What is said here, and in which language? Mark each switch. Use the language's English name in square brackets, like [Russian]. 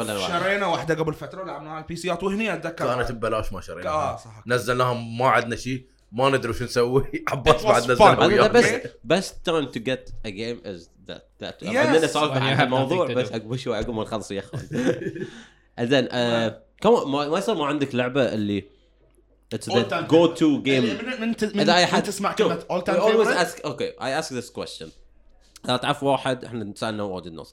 [Arabic] شرينا واحدة قبل فترة لعبناها على البي سي وهني أتذكر. كانت ببلاش ما شرينا. نزلناها ما عدنا شيء ما ندري شو نسوي. عبط بعد نزلنا. [English] best time to get a game is that. Yes. [Arabic] أنا صار في الموضوع بس أقول شو أقول ما نخلص يا أخوان. إذن كم ما يصير ما عندك لعبة اللي. [English] It's the go-to game. [Arabic] من أي حد تسمع كلمة [English] all time favorite? Always ask. Okay, I ask this question. [Arabic] إذا تعرف واحد إحنا نسألنا واجد ناس.